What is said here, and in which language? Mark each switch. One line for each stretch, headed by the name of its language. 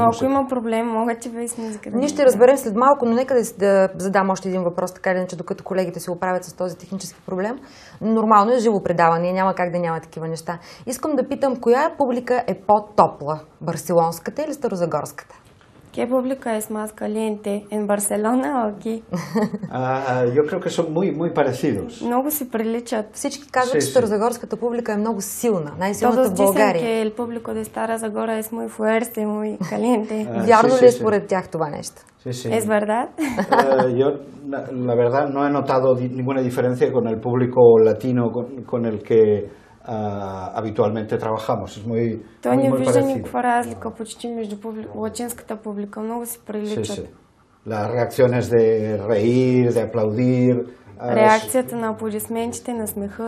Bulgarian: Но ако има проблем, мога че без музика. Ние ще разберем след малко, но нека да задам още един въпрос, така или иначе, докато колегите се оправят с този технически проблем. Нормално е живо предаване, няма как да няма такива неща. Искам да питам, коя публика е по-топла? Барселонската или Старозагорската?
Spanish: ¿Qué público es más caliente? ¿En Barcelona o aquí? Yo creo que son muy, muy parecidos.
Bulgarian: Много се приличат. Всички казват, че старозагорската публика е много силна. Най-силната в България.
Spanish: Todos dicen que el público de Стара Загора es muy fuerte, muy caliente.
Bulgarian: Вярно ли е според тях това нещо?
Spanish: Sí. ¿Es verdad? Yo, la verdad, no he notado ninguna diferencia con el público latino con el que habitualmente trabajamos. Es muy, Тоня, muy parecido.
Bulgarian: Тоня, вижда никаква разлика почти между латинската публика. Много се приличат.
Spanish: Sí, sí. Las reacciones de reír, de aplaudir...
Bulgarian: Реакцията на аплодисментите, на смеха...